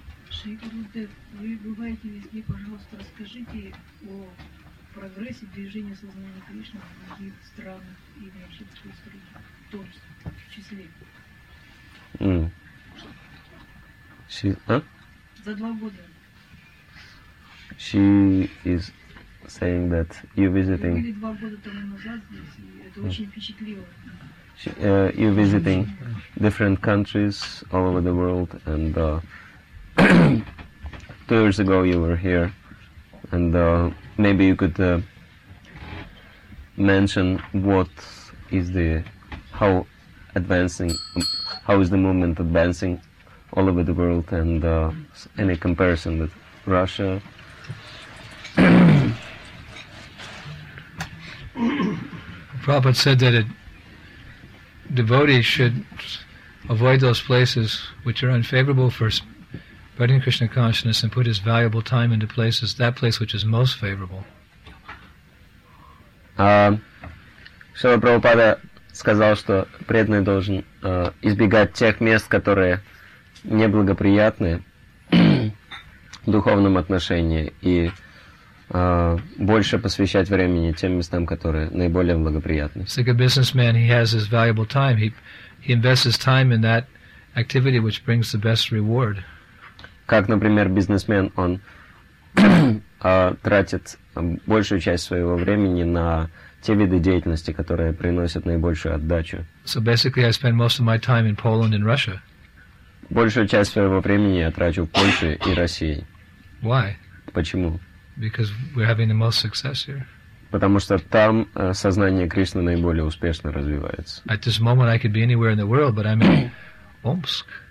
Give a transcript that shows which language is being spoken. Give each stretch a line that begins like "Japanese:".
Russian: Шри Гурудев, вы бываете везде, пожалуйста, расскажите о прогрессе движения сознания Кришны в других странах и на общинской среде, в том числе. За два года.
English: She is saying that you're visiting...
Russian: Вы были два года тому назад здесь, и это очень впечатлило.
English: You're visiting different countries all over the world, and 2 years ago you were here, and maybe you could mention what is the, how is the movement advancing all over the world, and any comparison with Russia. Prabhupada said that devotees should avoid those places which are unfavorable for spreading Krishna consciousness and put his valuable time into places, that place which is most favorable.
Russian: Шрила Прабхупада сказал, что преданный должен избегать тех мест, которые неблагоприятны в духовном отношении, и больше посвящать времени тем местам, которые наиболее благоприятны.
English: He's like a businessman, he has his valuable time. He invests his time in that activity which brings the best reward.
Russian: Как, например, бизнесмен, он тратит большую часть своего времени на те виды деятельности, которые приносят наибольшую отдачу.
English: So basically I spend most of my time in Poland and Russia.
Russian: Большую часть своего времени я трачу в Польше и России.
English: Why?
Russian: Почему?
English: Because we're having the most success here.
Russian: Потому что там сознание Кришны наиболее успешно развивается.
English: At this moment I could be anywhere in the world, but I'm in Omsk.